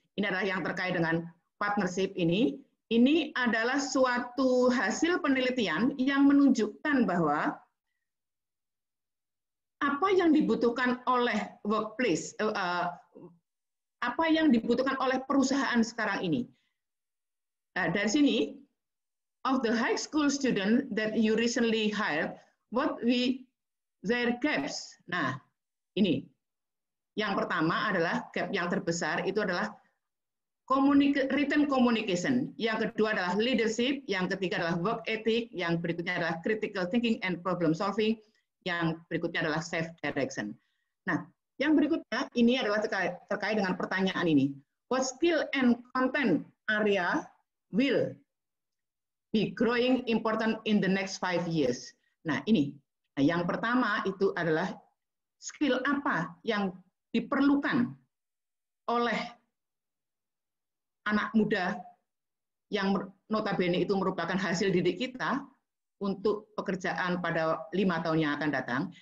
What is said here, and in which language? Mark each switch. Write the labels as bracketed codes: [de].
[id] Ini adalah yang terkait dengan partnership ini. Ini adalah suatu hasil penelitian yang menunjukkan bahwa apa yang dibutuhkan oleh workplace, apa yang dibutuhkan oleh perusahaan sekarang ini. Nah, dari sini, [en] of the high school student that you recently hired, what we their gaps? [id] Nah, ini. Yang pertama adalah gap yang terbesar, itu adalah written communication. Yang kedua adalah leadership. Yang ketiga adalah work ethic. Yang berikutnya adalah critical thinking and problem solving. Yang berikutnya adalah self direction. Nah, yang berikutnya ini adalah terkait dengan pertanyaan ini. [en] What skill and content area will be growing important in the next 5 years? [id] Nah, ini. Nah, yang pertama itu adalah skill apa yang diperlukan oleh anak muda yang notabene itu merupakan hasil didik kita untuk pekerjaan pada 5 tahun yang akan datang.